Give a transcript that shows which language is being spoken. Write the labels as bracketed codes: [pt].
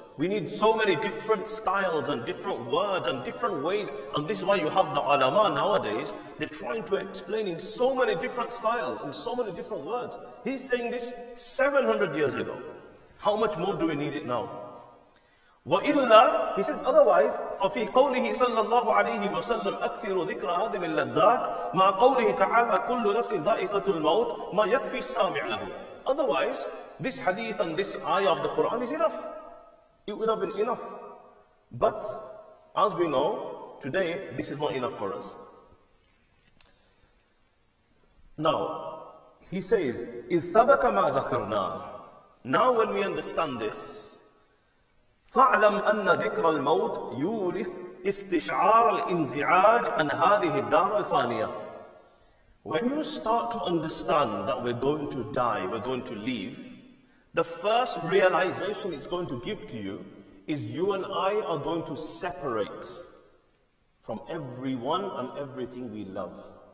[en] We need so many different styles and different words and different ways. And this is why you have the ulama nowadays. They're trying to explain in so many different styles, in so many different words. He's saying this 700 years ago. How much more do we need it now? [ar] وَإِلَّا, [en] he says, otherwise, [ar] فَفِي قَوْلِهِ صَلَّى اللَّهُ عَلَيْهِ وَسَلَّمْ أَكْثِرُ ذِكْرَ هَذِمِ اللَّذَّاتِ مَا قَوْلِهِ تَعَالَى كُلُّ نَفْسٍ ذَائِقَةُ الْمَوْتِ مَا يَكْفِي السَّامِعْ لَهُ. [en] Otherwise, this hadith and this ayah of the Quran is enough. It would have been enough. But, as we know, today, this is not enough for us. Now, he says, [ar] إِذْ ثَبَتَ مَا ذَكَرْنَا. [en] Now when we understand this, [ar] فَعْلَمْ أَنَّ ذِكْرَ الْمَوْتِ يُورِثْ إِسْتِشْعَارَ الْإِنْزِعَاجِ أَنْ هَذِهِ الدَّارَ الْفَانِيَةِ. [en] When you start to understand that we're going to die, we're going to leave, the first realization it's going to give to you is you and I are going to separate from everyone and everything we love.